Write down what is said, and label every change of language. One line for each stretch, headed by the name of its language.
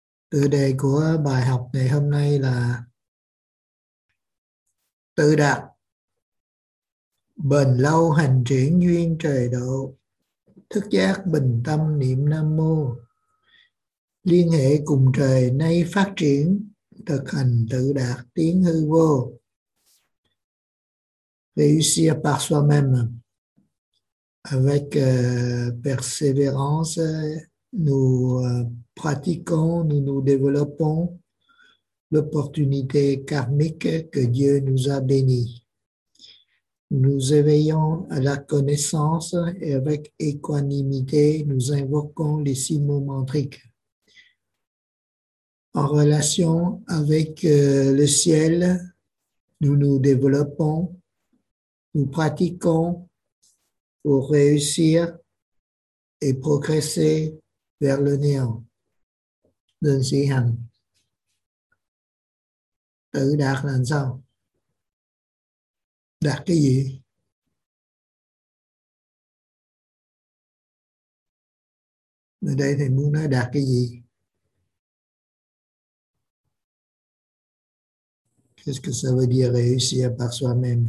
Vietnamese: Tựa đề của bài học ngày hôm nay là Tự đạt bền lâu hành triển duyên trời độ, thức giác bình tâm niệm Nam Mô, liên hệ cùng trời nay phát triển, thực hành tự đạt tiến hư vô.
French: Réussir par soi-même avec persévérance, nous pratiquons, nous nous développons l'opportunité karmique que Dieu nous a bénie. Nous éveillons à la connaissance et avec équanimité, nous invoquons les six mots mantriques. En relation avec le ciel, nous nous développons. Nous pratiquons pour réussir et progresser vers le néant.
Vietnamese: Đơn sĩ hành. Tự đạt là làm sao? Đạt cái gì? Ở đây thì muốn nói đạt cái gì?
French: Qu'est-ce que ça veut dire réussir par soi-même?